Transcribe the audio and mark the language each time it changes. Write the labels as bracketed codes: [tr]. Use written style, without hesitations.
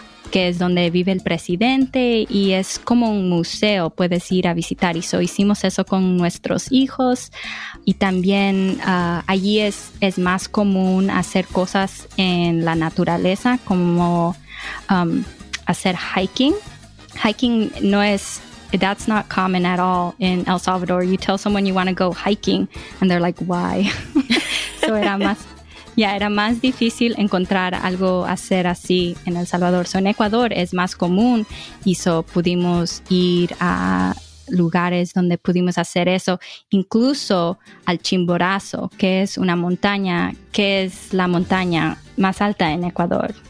[es] que es donde vive el presidente, y es como un museo, puedes ir a visitar. Y so hicimos eso con nuestros hijos, y también allí es más común hacer cosas en la naturaleza, como hacer hiking. [en] Hiking no es, that's not common at all in El Salvador. You tell someone you want to go hiking and they're like, why? [es] So era más difícil encontrar algo hacer así en El Salvador. So en Ecuador es más común, y so pudimos ir a lugares donde pudimos hacer eso, incluso al Chimborazo, que es una montaña, que es la montaña más alta en Ecuador.